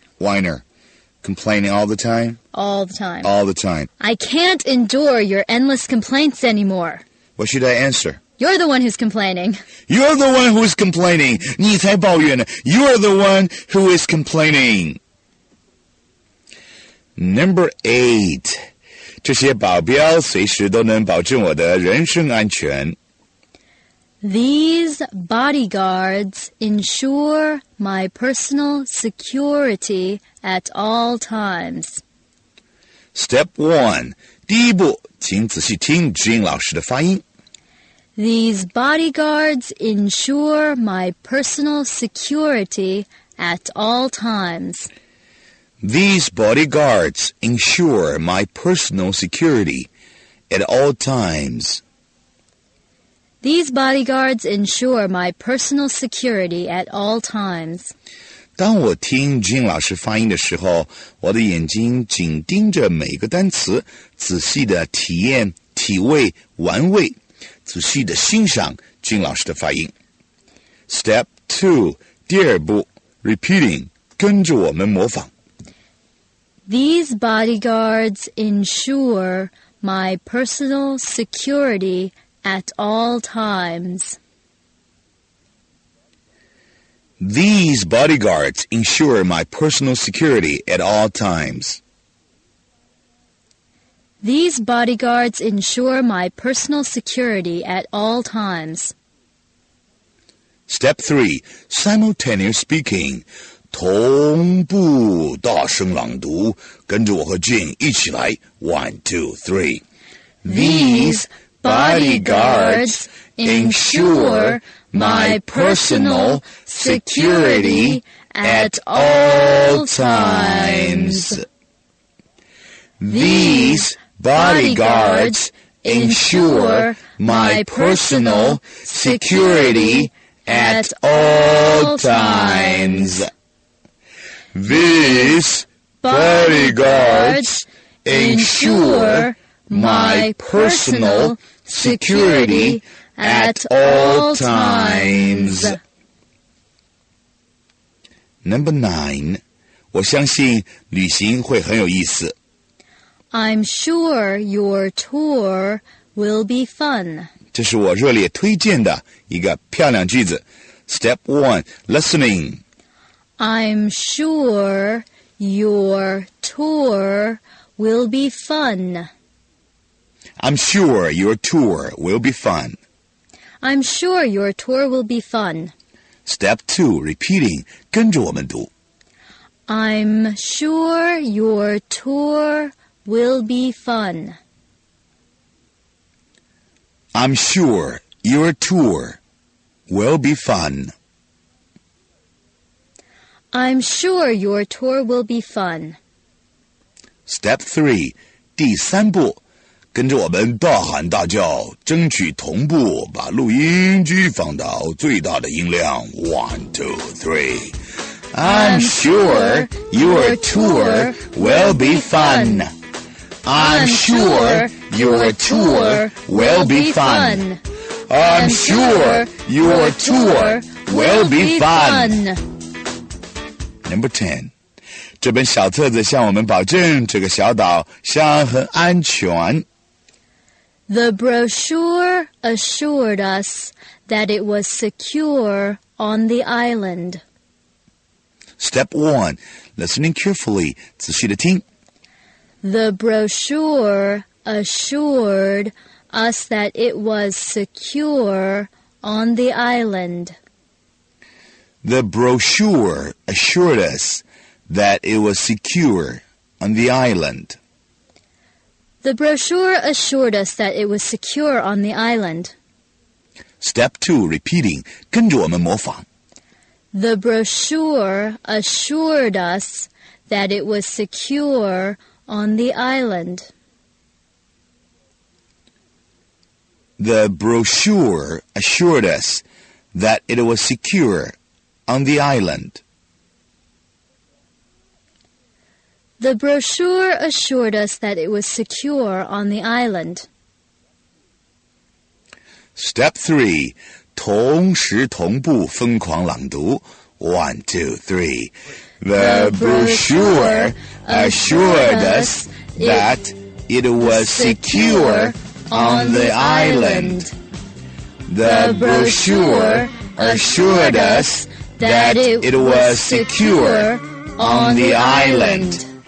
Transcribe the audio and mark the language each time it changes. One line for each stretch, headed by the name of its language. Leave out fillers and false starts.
English: Whiner. Complaining all the time? All the time. All the time. I can't endure your endless complaints anymore. What should I answer? You're the one who's complaining. You're the one who's complaining.
Chinese: 你才抱怨呢。
English: You're the one who is complaining. Number 8.
Chinese: 这些保镖随时都能保证我的人身安全。
English: These bodyguards ensure my personal security at all times. Step 1.
Chinese: 第一步,请仔细听 Jean 老师的发音。
English: These bodyguards ensure my personal security at all times. These bodyguards ensure my personal security at all times. These bodyguards ensure my personal security at all times.
Chinese: 当我听 Jean 老师发音的时候，我的眼睛紧盯着每个单词，仔细地体验、体味、玩味，仔细地欣赏 Jean 老师的发音。
English: Step 2,
Chinese: 第二步 ,
English: repeating,
Chinese: 跟着我们模仿。
English: These bodyguards ensure my personal security at all times. These bodyguards ensure my personal security at all times. These bodyguards ensure my personal security at all times. Step 3. Simultaneous speaking.
Chinese: 同步大声朗读跟着我和 Jean 一起来
English: 1, 2, 3. These bodyguards ensure my personal security at all times. These bodyguards ensure my personal security at all times. These bodyguards ensure my personal security at all times. Number 9.
Chinese: 我相信旅行会很有意思。
English: I'm sure your tour will be fun.
Chinese: 这是我热烈推荐的一个漂亮句子。
English: Step 1. Listening. I'm sure your tour will be fun. I'm sure your tour will be fun. I'm sure your tour will be fun. Step 2, repeating,
Chinese: 跟着我们读。
English: I'm sure your tour will be fun. I'm sure your tour will be fun. I'm sure your tour will be fun. Step 3,
Chinese: 第三步。跟着我们大喊大叫，争取同步，把录音机放到最大的音量。
English: 1, 2, 3. I'm sure your tour will be fun. I'm sure your tour will be fun. I'm sure your tour will be fun. Number 10.
Chinese: 这本小册子向我们保证这个小岛相很安全。
English: The brochure assured us that it was secure on the island. Step 1. Listening carefully.
Chinese: 仔细地听。
English: The brochure assured us that it was secure on the island. The brochure assured us that it was secure on the island. The brochure assured us that it was secure on the island. Step 2, repeating,
Chinese: 跟着我们模仿。
English: The brochure assured us that it was secure on the island. The brochure assured us that it was secure on the island. The brochure assured us that it was secure on the island. Step 3,
Chinese: 同时同步疯狂朗读
English: 1, 2, 3. The brochure assured us that it was secure on the island. The brochure assured us that it was secure on the island.